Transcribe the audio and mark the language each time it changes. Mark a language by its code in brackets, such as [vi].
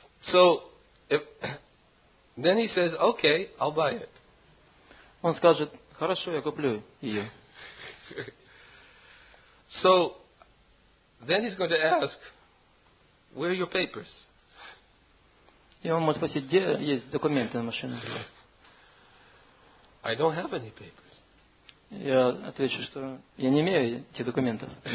[en] So, then he says, okay, I'll buy it. [ru] Он скажет, хорошо, я куплю ее. [en] So, then he's going to ask, where are your papers? [ru] И он может спросить, где есть документы на машину? [en] I don't have any papers. [ru] Я отвечу, что я не имею этих документов.